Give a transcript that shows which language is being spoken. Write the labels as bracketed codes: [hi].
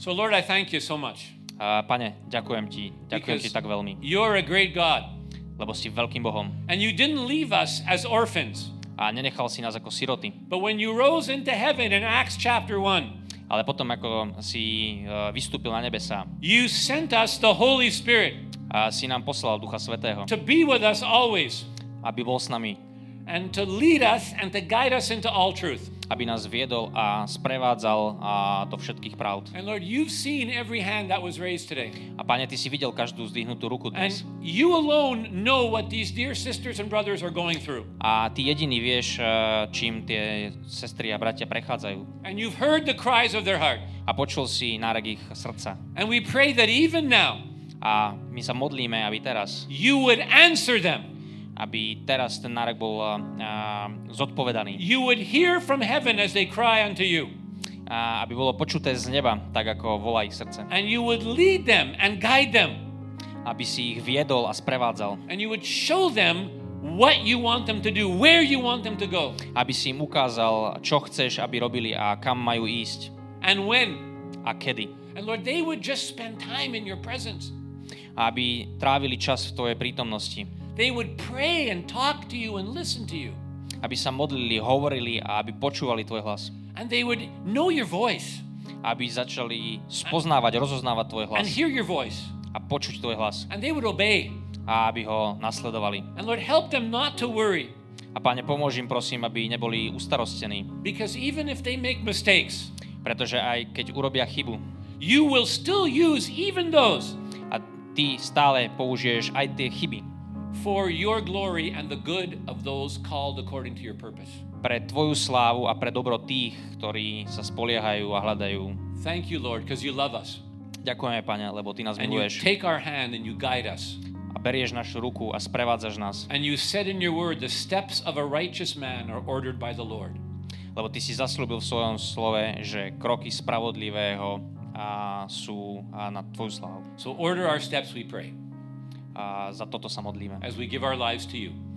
[en] So Lord, I thank you so much. [sk] Pane, ďakujem ti. Ďakujem ti tak veľmi. [en] You're a great God. [sk] Lebo si veľkým Bohom. [en] And you didn't leave us as orphans. [sk] A nenechal si nás ako siroty. [en] But when you rose into heaven in Acts chapter 1. [sk] Ale potom ako si vystúpil na nebesá. [en] You sent us the Holy Spirit. [sk] A si nám poslal Ducha Svätého. [en] To be with us always. [sk] Aby bol s nami. [en] And to lead us and to guide us into all truth. [sk] Aby nás viedol a sprevádzal a do všetkých pravd. [en] And Lord, you've seen every hand that was raised today. [sk] A Pane, ty si videl každú zdvihnutú ruku dnes. [en] And you alone know what these dear sisters and brothers are going through. [sk] A ty jediný vieš, čím tie sestry a bratia prechádzajú. [en] And you've heard the cries of their heart. [sk] A počul si nárek ich srdca. [en] And we pray that even now. [sk] A my sa modlíme, aby teraz. [en] You would answer them. [sk] Aby teraz ten nárek bol zodpovedaný. [en] You would hear from heaven as they cry unto you. [sk] Aby bolo počuté z neba, tak ako volá ich srdce. [en] And you would lead them and guide them. [sk] Aby si ich viedol a sprevádzal. [en] And you would show them what you want them to do, where you want them to go. [sk] Aby si im ukázal, čo chceš, aby robili a kam majú ísť. [en] And when? [sk] A kedy? [en] And Lord, they would just spend time in your presence. [sk] Aby trávili čas v tvojej prítomnosti. [en] They would pray and talk to you and listen to you. [sk] Aby sa modlili, hovorili a aby počúvali tvoj hlas. [en] And they would know your voice. [sk] Aby začali spoznávať, rozoznávať tvoj hlas. [en] And hear your voice. [sk] A počuť tvoj hlas. [en] And they would obey. [sk] A aby ho nasledovali. [en] And Lord, help them not to worry. [sk] A Pane, pomôž im, prosím, aby neboli ustarostení. [en] Because even if they make mistakes. [sk] Pretože aj keď urobia chybu. [en] You will still use even those. [sk] A ty stále použiješ aj tie chyby. [en] For your glory and the good of those called according to your purpose. [sk] Pre tvoju slávu a pre dobro tých, ktorí sa spoliehajú a hľadajú. [en] Thank you, Lord, because you love us. [sk] Ďakujeme, Pane, lebo ty nás [en] and [sk] miluješ. [en] You take our hand and you guide us. [sk] A berieš našu ruku a sprevádzaš nás. [en] And you said in your word, the steps of a righteous man are ordered by the Lord. [sk] Lebo ty si zasľúbil v svojom slove, že kroky spravodlivého sú na tvoju slávu. [en] So order our steps, we pray. [sk] A za toto sa modlíme. [en] As we give our lives to you.